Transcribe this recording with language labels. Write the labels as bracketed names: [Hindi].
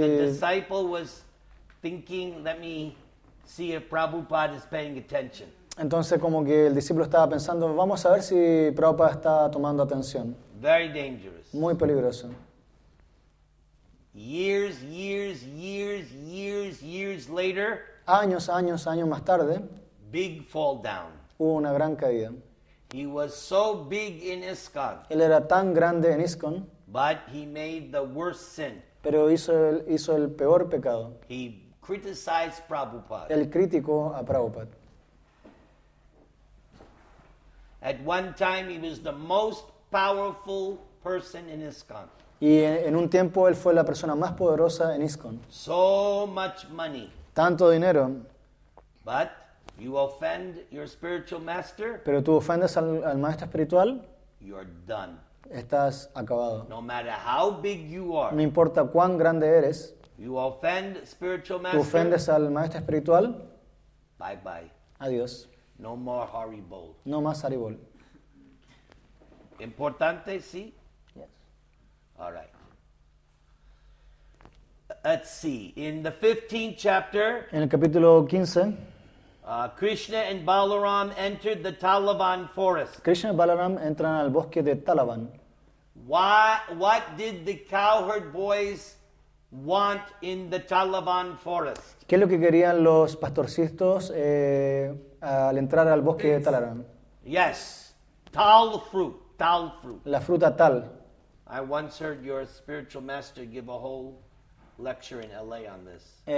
[English] The disciple was thinking, let me see if Prabhupada is paying attention. [Spanish] Entonces como que el discípulo estaba pensando, vamos a ver si Prabhupada está tomando atención. [English] Very dangerous. [Spanish] Muy peligroso. [English] Years, years, years, years, years later. [Spanish] Años, años, años más tarde. [English] Big fall down. [Spanish] Hubo una gran caída. [English] He was so big in ISKCON. [Spanish] Él era tan grande en ISKCON. [English] But he made the worst sin. [Spanish] Pero hizo el peor pecado. [English] He criticized Prabhupada. [Spanish] Él criticó a Prabhupada. [English] At one time he was the most powerful person in ISKCON. [Spanish] Y en un tiempo él fue la persona más poderosa en ISKCON. [English] So much money. [Spanish] Tanto dinero. [English] But you offend your spiritual master. [Spanish] Pero tú ofendes al maestro espiritual. [English] You're done. [Spanish] Estás acabado. [English] No matter how big you are. [Spanish] No importa cuán grande eres. [English] You offend spiritual master. [Spanish] Tú ofendes al maestro espiritual. [English] Bye bye. [Spanish] Adiós. [English] No more Haribol. [Spanish] No más Haribol. Importante, sí. [English] All right. Let's see. In the 15th chapter, [Spanish] en el capítulo 15, [English] Krishna and Balaram entered the Talavan forest. [Spanish] Krishna y Balaram entran al bosque de Talavan. [English] Why? What did the cowherd boys want in the Talavan forest? [Spanish] ¿Qué es lo que querían los pastorcitos al entrar al bosque de Talavan? [English] Yes. Tal fruit. Tal fruit. [Spanish] La fruta tal. [English] I once heard your spiritual master give a whole lecture in LA on this.